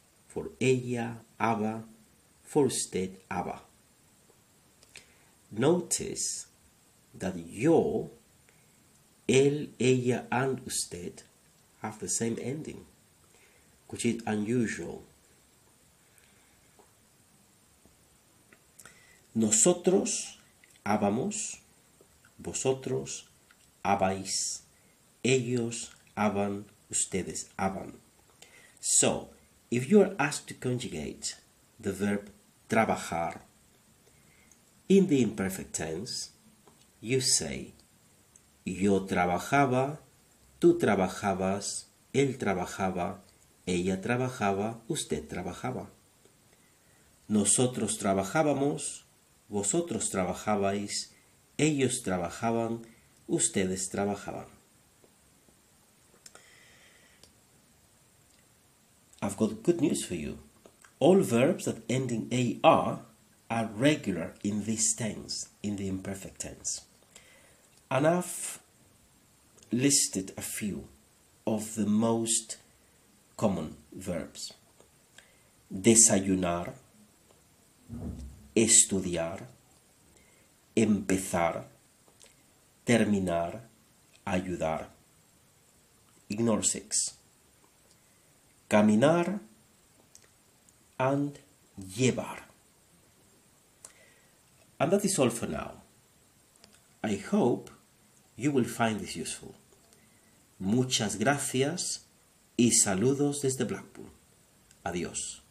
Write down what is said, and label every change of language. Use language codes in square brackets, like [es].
[en] For ella, aba. For usted, aba. Notice that your, él, ella, and usted have the same ending, which is unusual. [es] Nosotros habamos, vosotros habáis, ellos haban, ustedes haban. [en] So, if you are asked to conjugate the verb trabajar in the imperfect tense, you say, [es] yo trabajaba, tú trabajabas, él trabajaba, ella trabajaba, usted trabajaba. Nosotros trabajábamos, vosotros trabajabais, ellos trabajaban, ustedes trabajaban. [en] I've got good news for you. All verbs that end in AR are regular in this tense, in the imperfect tense. And I've listed a few of the most common verbs. [es] Desayunar, estudiar, empezar, terminar, ayudar. [en] Ignore six. Caminar and llevar. And that is all for now. I hope you will find this useful. [es] Muchas gracias y saludos desde Blackpool. Adiós.